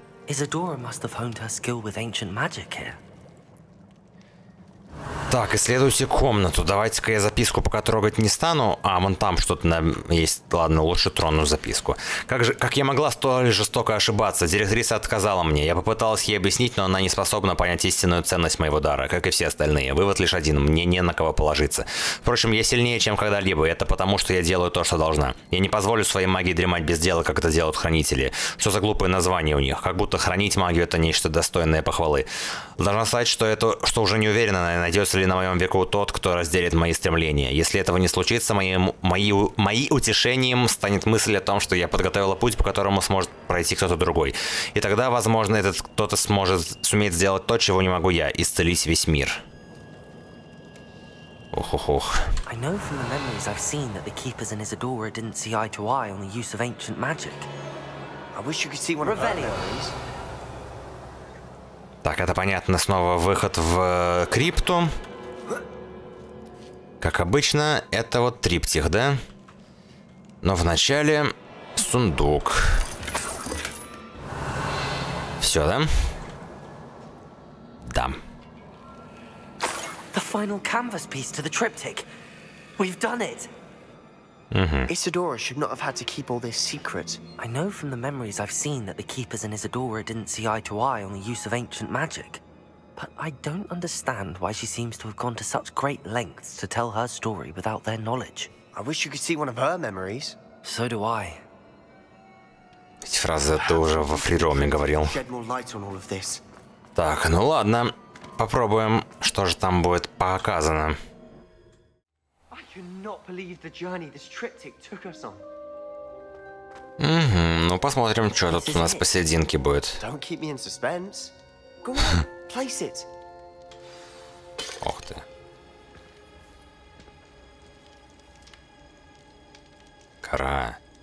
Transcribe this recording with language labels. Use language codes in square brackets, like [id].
[en] Isadora must have honed her skill with ancient magic here. [ru] Так, исследуйте комнату. Давайте-ка я записку пока трогать не стану. А, вон там что-то есть. Ладно, лучше трону записку. Как я могла столь жестоко ошибаться? Директриса отказала мне. Я попыталась ей объяснить, но она не способна понять истинную ценность моего дара, как и все остальные. Вывод лишь один. Мне не на кого положиться. Впрочем, я сильнее, чем когда-либо. Это потому, что я делаю то, что должна. Я не позволю своей магии дремать без дела, как это делают хранители. Что за глупое название у них? Как будто хранить магию — это нечто достойное похвалы. Должна сказать, что уже не уверена, найдется ли на моем веку тот, кто разделит мои стремления. Если этого не случится, мои утешением станет мысль о том, что я подготовила путь, по которому сможет пройти кто-то другой. И тогда, возможно, этот кто-то сумеет сделать то, чего не могу я — исцелить весь мир. Ох-ох-ох. [en] I know from the memories I've seen that the keepers and Isadora didn't see eye to eye on the use of ancient magic. I wish you could see one of those. [ru] Так, это понятно. Снова выход в крипту. Как обычно, это вот триптих, да? Но вначале сундук. Все, да? Да. [en] The final canvas piece to the triptych. We've done it. Isadora should not have had to keep all this secret. I know from the memories I've seen that the keepers and Isadora didn't see eye to eye on the use of ancient magic. But I don't understand why she seems to have gone to such great lengths to tell her story without their knowledge. I wish you could see one of her memories. So do I. [ru] Эти фразы ты уже во фрироме говорил. [en] Shed more light on all of this. [ru] Так, ну ладно. Попробуем, что же там будет показано. Ну посмотрим, что тут у нас посерединке будет. [en] Don't keep me in suspense. Go on, place it. [ru] Ох ты. Кора.